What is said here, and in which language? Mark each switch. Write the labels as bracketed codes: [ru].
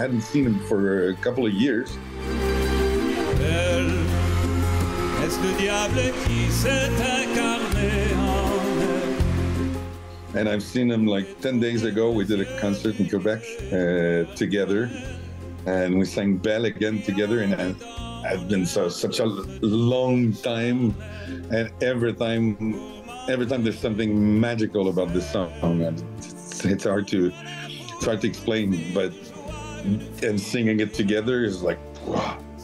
[en] I hadn't seen him for a couple of years. [fr] Belle, est-ce le diable qui s'est incarné en... [en] And I've seen him like 10 days ago. We did a concert in Quebec together, and we sang Belle again together, and I've been such a long time, and every time there's something magical about this song, and it's hard to explain, but singing it together is like, wow.